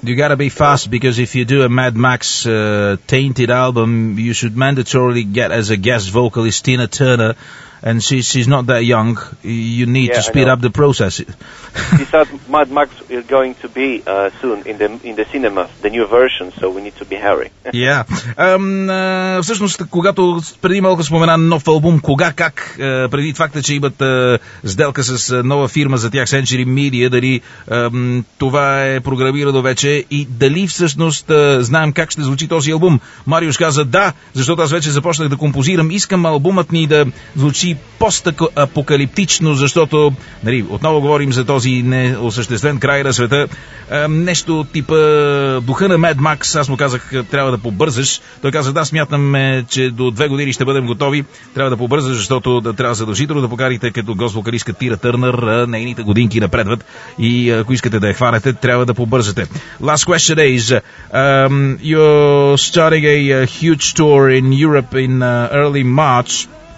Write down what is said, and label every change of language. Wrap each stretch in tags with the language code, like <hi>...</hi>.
<en>You gotta be fast, because if you do a Mad Max tainted album, you should mandatorily get as a guest vocalist Tina Turner, and she's not that young. You need to speed up the process. She said Mad Max is going to be soon in the cinema, the new version, so we need to be hurry. Yeah.</en> <bg>Всъщност, когато преди малко спомена нов албум, кога, как, преди факта, че имат сделка с нова фирма за тях, Century Media, дали това е програмирано вече и дали всъщност знаем как ще звучи този албум. Мариуш каза да, защото аз вече започнах да композирам. Искам албумът ни да звучи постапокалиптично, защото, нали, отново говорим за този неосъществен край на света. Нещо типа духа на Mad Max, аз му казах, трябва да побързаш. Той каза, да, смятам, че до 2 години ще бъдем готови. Трябва да побързаш, защото да трябва задължително да покарите като госвокалистка Тира Търнър, нейните годинки напредват. И ако искате да я хванете, трябва да побързате.</bg> <en>Last question is, you're starting a huge tour in Europe in early March.</en>